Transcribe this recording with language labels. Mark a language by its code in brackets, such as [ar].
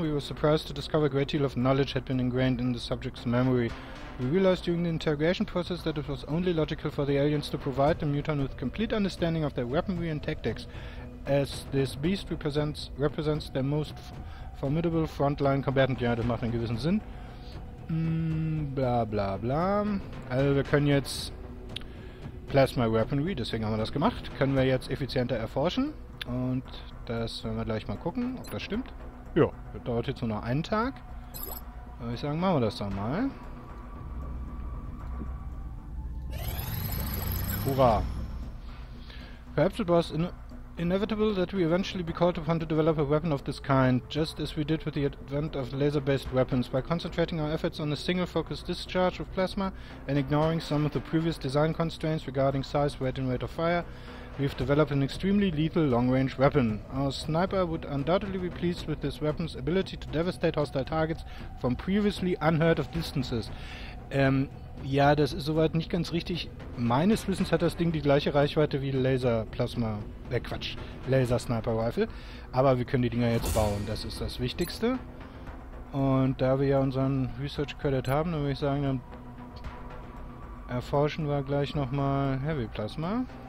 [en] We were surprised to discover a great deal of knowledge had been ingrained in the subject's memory. We realized during the interrogation process that it was only logical for the aliens to provide the Muton with complete understanding of their weaponry and tactics, as this beast represents their most formidable frontline combatant. [de] Ja, das macht einen gewissen Sinn. Bla bla bla. Also wir können jetzt Plasma Weaponry, deswegen haben wir das gemacht, können wir jetzt effizienter erforschen. Und das werden wir gleich mal gucken, ob das stimmt. Ja, das dauert jetzt nur noch einen Tag. Würde ich sagen, machen wir das doch mal. Hurra. [en] Perhaps it was inevitable that we eventually be called upon to develop a weapon of this kind, just as we did with the advent of laser-based weapons. By concentrating our efforts on a single-focused discharge of plasma and ignoring some of the previous design constraints regarding size, weight and rate of fire, we've developed an extremely lethal long-range weapon. Our sniper would undoubtedly be pleased with this weapon's ability to devastate hostile targets from previously unheard of distances. [de] Ja, das ist soweit nicht ganz richtig. Meines Wissens hat das Ding die gleiche Reichweite wie Laser-Plasma... Quatsch. Laser-Sniper-Rifle. Aber wir können die Dinger jetzt bauen. Das ist das Wichtigste. Und da wir ja unseren Research-Credit haben, dann würde ich sagen, dann erforschen wir gleich nochmal Heavy-Plasma.